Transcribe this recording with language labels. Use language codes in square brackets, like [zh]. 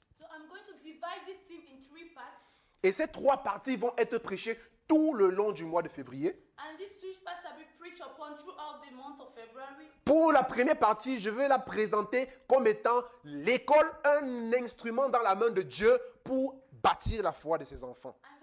[en] So I'm going to divide this theme in three parts. [fr] Et ces trois parties vont être prêchées tout le long du mois de février. [en] And this three parts have been preached upon throughout the month of February. [fr] Pour la première partie, je vais la présenter comme étant l'école, un instrument dans la main de Dieu pour bâtir la foi de ses enfants.